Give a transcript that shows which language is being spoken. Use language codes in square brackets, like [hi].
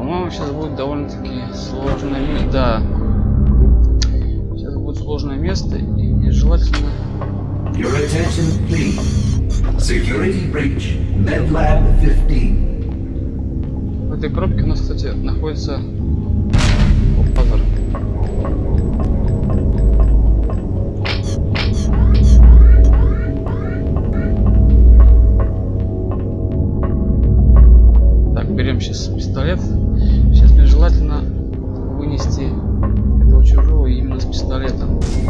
[ru] Сейчас будет довольно-таки сложное место. Да. Сейчас будет сложное место и нежелательно. [en] Your attention, please. Security breach. Medlab 15. [ru] этой коробке у нас, кстати, находится... О, пазар. Так, берем сейчас пистолет. Сейчас мне желательно вынести этого чужого именно с пистолетом.